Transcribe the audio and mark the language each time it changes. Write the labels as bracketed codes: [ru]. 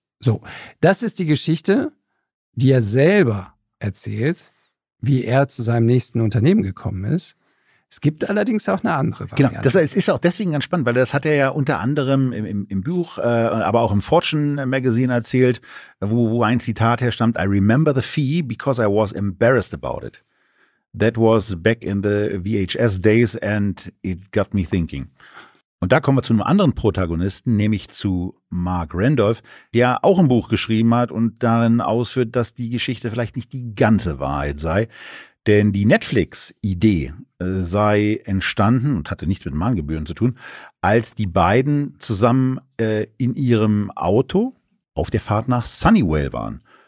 [de] So, das ist die Geschichte, die er selber erzählt, wie er zu seinem nächsten Unternehmen gekommen ist. Es gibt allerdings auch eine andere Variante. Genau, das ist auch deswegen ganz spannend, weil das hat er ja unter anderem im Buch, aber auch im Fortune Magazine erzählt, wo ein Zitat herstammt: [en] I remember the fee because I was embarrassed about it. That was back in the VHS days and it got me thinking. [de] Und da kommen wir zu einem anderen Protagonisten, nämlich zu Mark Randolph, der auch ein Buch geschrieben hat und darin ausführt, dass die Geschichte vielleicht nicht die ganze Wahrheit sei. Denn die Netflix-Idee sei entstanden und hatte nichts mit Mahngebühren zu tun, als die beiden zusammen in ihrem Auto auf der Fahrt nach Sunnyvale waren.